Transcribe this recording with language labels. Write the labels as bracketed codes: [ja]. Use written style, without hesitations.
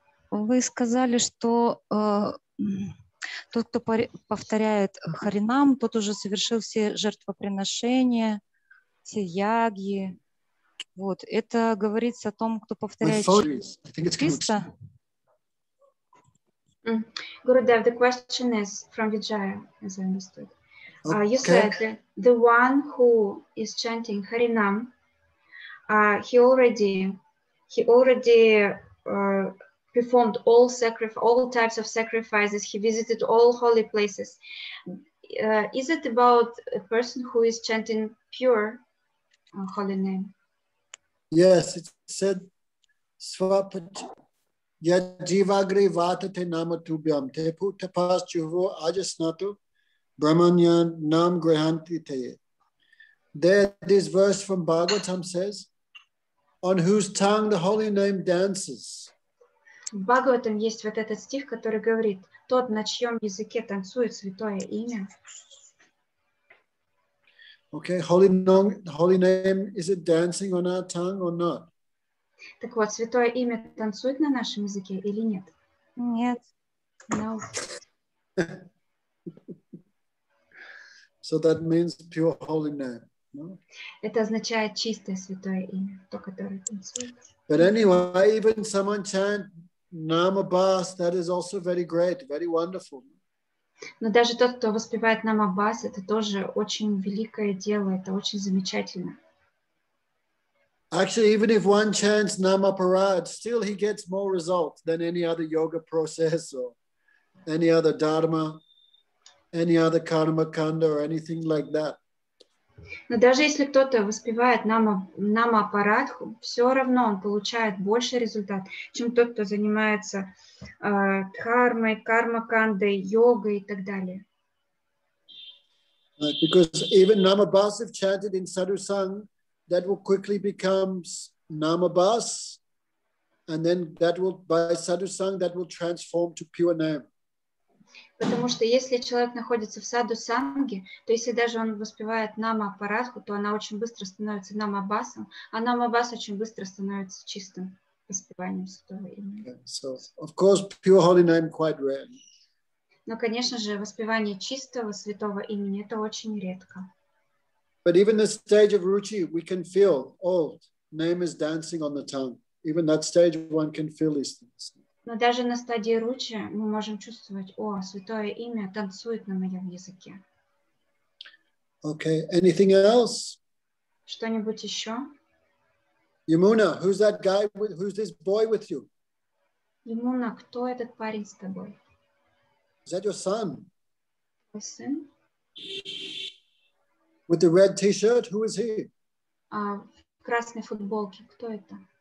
[ru] Вы сказали, что тот, кто повторяет харинам, тот уже совершил все жертвоприношения, все яги. Вот. Это говорится о том, кто повторяет Кришна. [en] Гурудев, the question is from Vijaya, as I understood. You said the one who is chanting Harinam, he already performed all types of sacrifices. He visited all holy places. Is it about a person who is chanting pure holy name? Yes, it said [sa] Swapat Yadivagri Vatate Namatubhyam Tepu Tapas Juhu Ajasnatu. Brahmanyan Nam Grihanti Teye. [en] There, this verse from Bhagavatam says, on whose tongue the holy name dances. [ru] Bhagavatam есть вот этот стих, который говорит, тот, на чьем языке танцует святое имя. [en] Okay, holy name, is it dancing on our tongue or not? [ru] Так вот, святое имя танцует на нашем языке или нет? Нет. [en] No. So that means pure holy name. No? [ru] Это означает чистое святое имя, то, которое танцует. [en] But anyway, even someone chant Namabhas, that is also very great, very wonderful. [ru] Но даже тот, кто воспевает Намабас, это тоже очень великое дело, это очень замечательно. [en] Actually, even if one chants Namaparad, still he gets more results than any other yoga process or any other dharma. Any other karma kanda or anything like that. [ru] Но даже если кто-то воспевает намапарадху, все равно он получает больше результат, чем тот, кто занимается дхармой, карма кандой, йогой и так далее. [en] Right, because even намабас, if chanted in sadhusang, that will quickly become намабас, and then that will by sadhusang that will transform to pure name. [ru] Потому что если человек находится в саду санги, то если даже он воспевает нама парадху, то она очень быстро становится намабасом, а намабас очень быстро становится чистым воспеванием святого имени. [en] Okay. So, of course, pure holy name quite rare. [ru] Но, конечно же, воспевание чистого святого имени это очень редко. [en] But even the stage of ruchi, we can feel, oh, name is dancing on the tongue. Even that stage, one can feel these things. [ru] Но даже на стадии ручи мы можем чувствовать, о, святое имя танцует на моем языке. [en] Okay, anything else? [ru] Что-нибудь еще? [en] Yamuna, who's that guy, who's this boy with you? [ru] Yamuna, кто этот парень с тобой? [en] Is that your son? [ru] Твой сын? [en] With the red t-shirt, who is he? [ru] В красной футболке, кто это?